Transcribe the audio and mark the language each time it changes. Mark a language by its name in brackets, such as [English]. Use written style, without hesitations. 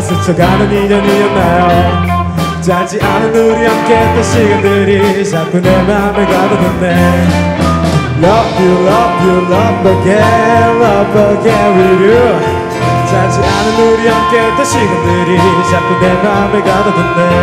[Korean] 스쳐가는 인연이었나요? 짧지 않은 우리 함께 했던 시간들이 자꾸 내 맘을 가로듣네. [English] Love you, love you, love again with you. [Korean] 짧지 않은 우리 함께 했던 시간들이 자꾸 내 맘을 가로듣네.